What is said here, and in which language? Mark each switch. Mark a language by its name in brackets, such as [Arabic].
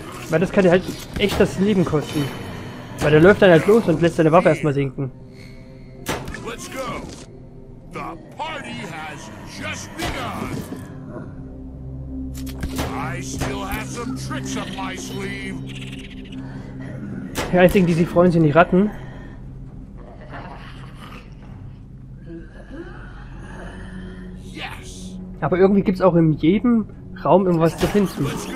[German] Weil das kann dir halt echt das Leben kosten. Weil der läuft dann halt los und lässt seine Waffe erstmal sinken. [English] Let's go. The party has just begun. I still have some tricks up my sleeve. [German] Die einzigen, die sich freuen, sind die Ratten. Aber irgendwie gibt's auch in jedem Raum immer was zu finden.